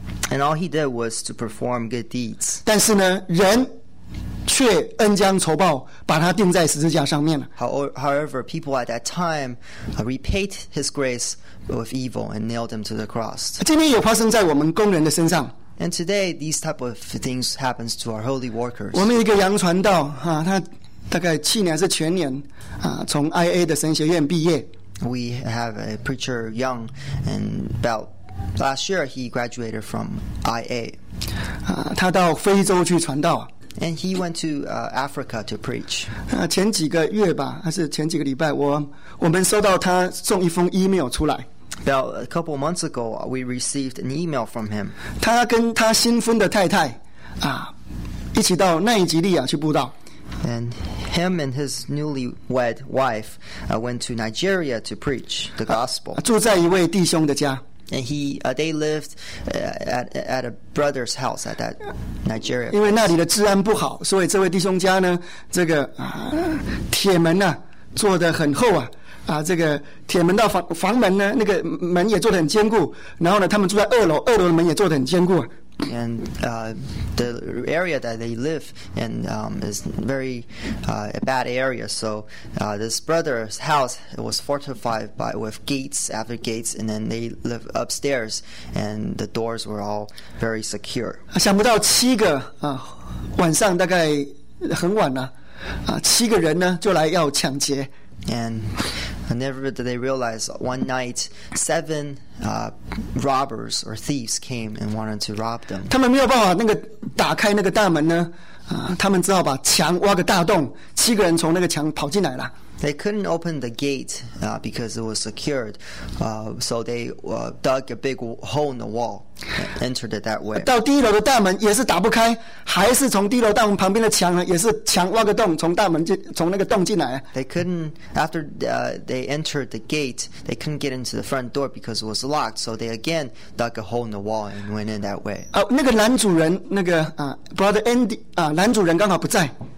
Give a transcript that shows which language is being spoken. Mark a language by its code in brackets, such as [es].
[en] And all he did was to perform good deeds. [zh] 但是呢，人却恩将仇报，把他钉在十字架上面了。 [en] However, people at that time repaid his grace with evil and nailed him to the cross. [zh] 今天也发生在我们工人的身上。 [en] And today, these type of things happens to our holy workers. [zh] 我们一个洋传道他大概去年还是前年从 IA 的神学院毕业。 [en] We have a preacher young, and about last year he graduated from IA. [zh] 他到非洲去传道。 [en] And he went to Africa to preach. [zh] 前几个月吧，还是前几个礼拜，我们收到他送一封 email 出来。 [en] About a couple months ago, we received an email from him. [zh] 他跟他新婚的太太啊，一起到奈及利亚去布道。 [en] And him and his newlywed wife went to Nigeria to preach the gospel. [zh] 住在一位弟兄的家。 [en] And he, they lived at a brother's house at that Nigeria. [zh] 因为那里的治安不好，所以这位弟兄家呢，这个铁门呐做得很厚啊。这个铁门到 房门呢，那个门也做得很坚固。然后呢，他们住在二楼，二楼的门也做得很坚固。 [en] And the area that they live in is very a bad area. So this brother's house was fortified by with gates after gates, and then they live upstairs, and the doors were all very secure. [zh] 想不到七个晚上大概很晚了七个人呢就来要抢劫。 [en] And never did they realize one night seven robbers or thieves came and wanted to rob them. [zh] 他们没有办法那个打开那个大门呢，他们只好把墙挖个大洞，七个人从那个墙跑进来了。 [en] They couldn't open the gate because it was secured, so they dug a big hole in the wall and entered it that way. [zh] 到第一楼的大门也是打不开，还是从第一楼大门旁边的墙呢，也是墙挖个洞，从大门从那个洞进来。 [en] They couldn't, after they entered the gate, they couldn't get into the front door because it was locked, so they again dug a hole in the wall and went in that way. [zh] 那个男主人，那个Brother Andy, 男主人刚好不在。